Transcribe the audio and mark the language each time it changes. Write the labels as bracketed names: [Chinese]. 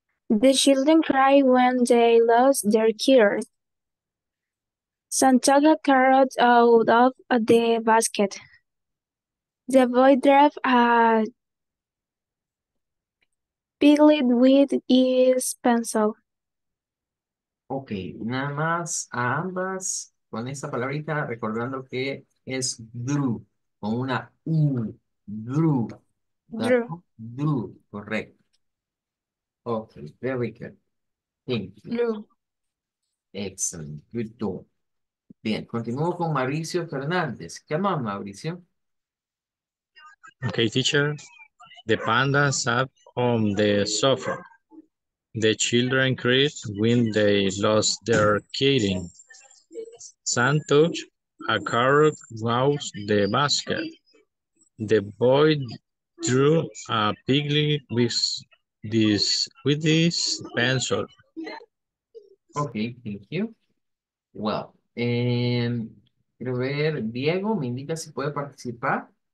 [English] The children cried when they lost their kitten. Sam took a carrot out of the basket. The boy dropped a piglet with his pencil. [Spanish] Ok, nada más a ambas con esa palabrita, recordando que es Drew, con una U, Drew, [English] Drew. ¿no? Drew, [Spanish] correcto. [English] Ok, very good. Thank you. Blue. Excellent, good job. [Spanish] Bien, continúo con Mauricio Fernández. ¿Qué más, Mauricio? [English] Okay, teacher, the panda sat on the sofa. The children cried when they lost their kitten. Sam took a carrot out the basket. The boy drew a piglet with his pencil. Okay, thank you. Well, [Spanish] quiero ver, Diego, me indica si puede participar.